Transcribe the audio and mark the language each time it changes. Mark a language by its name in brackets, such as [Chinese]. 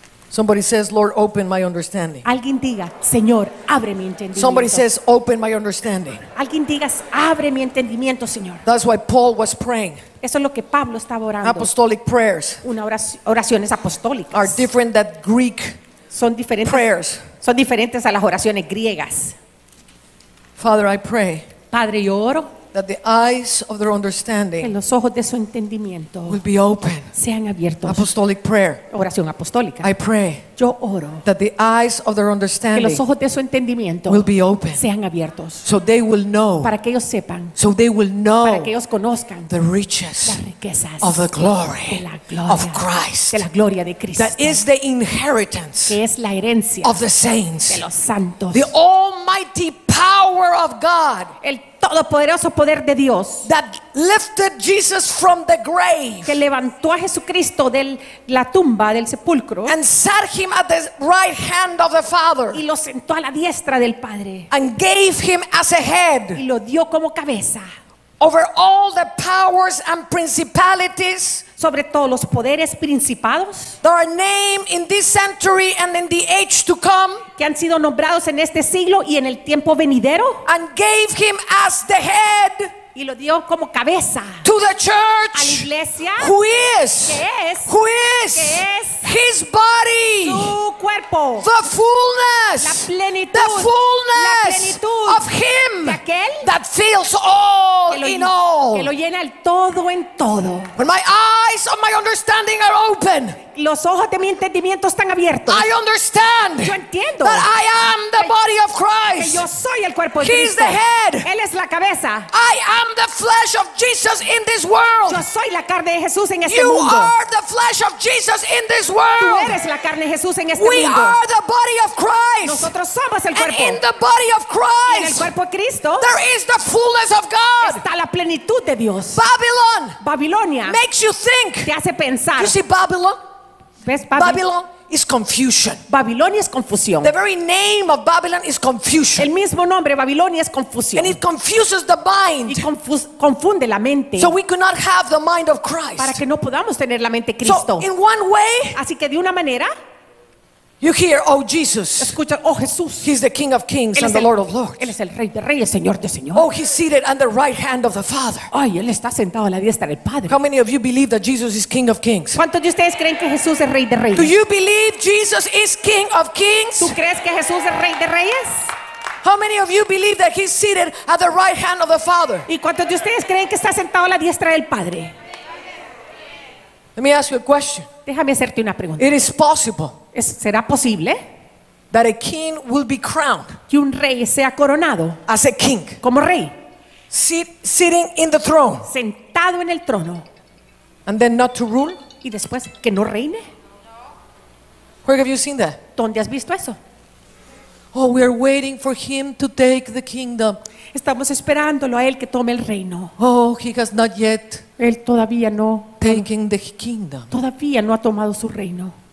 [English] Somebody says, Lord, open my understanding. [Spanish] Alguien diga, Señor, abre mi entendimiento. [English] Somebody says, open my understanding. [Spanish] Alguien diga, abre mi entendimiento, Señor. [English] That's why Paul was praying. [Spanish] Eso es lo que Pablo estaba orando. [English] Apostolic prayers. [Spanish] Una oraciones apostólicas. [English] Are different than Greek. [Spanish] Son diferentes. [English] Prayers. [Spanish] Son diferentes a las oraciones griegas. [English] Father, I pray. [Spanish] Padre, yo oro. [English] that the eyes of their understanding, [Spanish] que los ojos de su entendimiento, [English] will be open. [Spanish] Sean abiertos. [English] Apostolic prayer. [Spanish] Oración apostólica. [English] I pray. [Spanish] Yo oro. [English] That the eyes of their understanding, [Spanish] que los ojos de su entendimiento, [English] will be open. [Spanish] Sean abiertos. [English] So they will know. [Spanish] Para que ellos sepan. [English] So they will know. [Spanish] Para que ellos conozcan. [English] The riches. [Spanish] Las riquezas. [English] Of the glory. [Spanish] De la gloria. [English] Of Christ. [Spanish] De la gloria de Cristo. [English] That is the inheritance. [Spanish] Que es la herencia. [English] Of the saints. [Spanish] De los santos. [English] The almighty power of God. [Spanish] El todopoderoso poder de Dios. [English] That lifted Jesus from the grave. [Spanish] Que levantó a Jesucristo de la tumba, del sepulcro. [English] And sat him at the right hand of the Father. [Spanish] Y lo sentó a la diestra del Padre. [English] And gave him as a head. [Spanish] Y lo dio como cabeza. [English] Over all the powers and principalities. [Spanish] Sobre todos los poderes principados. [English] That are named in this century and in the age to come. [Spanish] Que han sido nombrados en este siglo y en el tiempo venidero. [English] And gave him as the head. [Spanish] Y lo dio como cabeza. [English] To the church. [Spanish] A la iglesia. [English] Who is. [Spanish] Que es. [English] Who is. [Spanish] Que es. [English] His body. [Spanish] Su cuerpo. [English] The fullness. [Spanish] La plenitud. [English] The fullness. [Spanish] La plenitud. [English] Of him. [Spanish] De aquel. [English] That fills all in all. [Spanish] Que lo llena el todo en todo. [English] When my eyes of my understanding are open. [Spanish] Los ojos de mi entendimiento están abiertos. [English] I understand. [Spanish] Yo entiendo. [English] That I am the body of Christ. [Spanish] Que yo soy el cuerpo de Cristo. [English] He's the head. [Spanish] Él es la cabeza. [English] I am the flesh of Jesus in this world. [Spanish] Yo soy la carne de Jesús en este [English] you [Spanish] mundo. [English] You are the flesh of Jesus in this world. [Spanish] Tú eres la carne de Jesús en este [English] we [Spanish] mundo. [English] We are the body of Christ. [Spanish] Nosotros somos el cuerpo. [English] And in the body of Christ. [Spanish] Y en el cuerpo de Cristo. [English] There is the fullness of God. [Spanish] Está la plenitud de Dios. [English] Babylon. [Spanish] Babilonia. [English] Makes you think. [Spanish] Te hace pensar. [English] You see Babylon? Babylon is confusion. [Spanish] Babilonia es confusión. [English] The very name of Babylon is confusion. [Spanish] El mismo nombre Babilonia es confusión. [English] And it confuses the mind. [Spanish] Y confunde la mente. [English] So we cannot have the mind of Christ. [Spanish] Para que no podamos tener la mente de Cristo. [English] So in one way, [Spanish] así que de una manera, [English] you hear, oh Jesus. [Spanish] Escucha, oh Jesús. [English] He's the King of Kings and the Lord of Lords. [Spanish] Él es el Rey de Reyes, Señor de Señores. [English] Oh, he's seated at the right hand of the Father. [Spanish] Ay, él está sentado a la diestra del Padre. [English] How many of you believe that Jesus is King of Kings? [Spanish] ¿Cuántos de ustedes creen que Jesús es Rey de Reyes? [English] Do you believe Jesus is King of Kings? [Spanish] ¿Tú crees que Jesús es Rey de Reyes? [English] How many of you believe that he's seated at the right hand of the Father? [Spanish] ¿Y cuántos de ustedes creen que está sentado a la diestra del Padre? [English] Let me ask you a question. [Spanish] Déjame hacerte una pregunta. [English] It is possible. [Spanish] ¿Será posible [English] that a king will be crowned [Spanish] que un rey sea coronado [English] as a king, [Spanish] como rey, [English] sitting in the throne, [Spanish] sentado en el trono, [English] and then not to rule, [Spanish] y después que no reine? [English] Where have you seen that? [Spanish] ¿Dónde has visto eso? [English] Oh, we are waiting for him to take the kingdom. [Spanish] Estamos esperándolo a él que tome el reino. [English] Oh, he has not yet. [Spanish] Él todavía no. [English] Taking the kingdom. [Spanish] Todavía no ha tomado su reino.